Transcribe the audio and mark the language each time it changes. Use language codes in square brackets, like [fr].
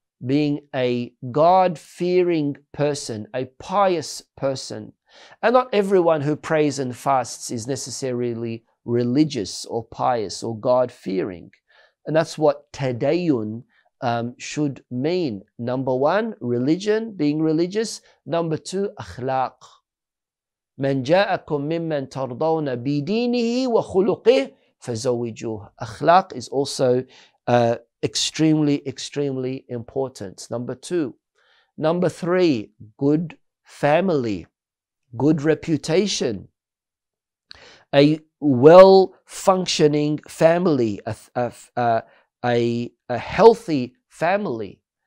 [en] Being a God-fearing person, a pious person. And not everyone who prays and fasts is necessarily religious or pious or God-fearing. And that's what tadayyun should mean. Number one, religion, being religious. Number two, akhlaq. [ar] من جاءكم ممن ترضون بدينه وخلقه فزوجوه. [en] أخلاق is also extremely important. Number two. Number three, good family, good reputation. A well-functioning family, a healthy family.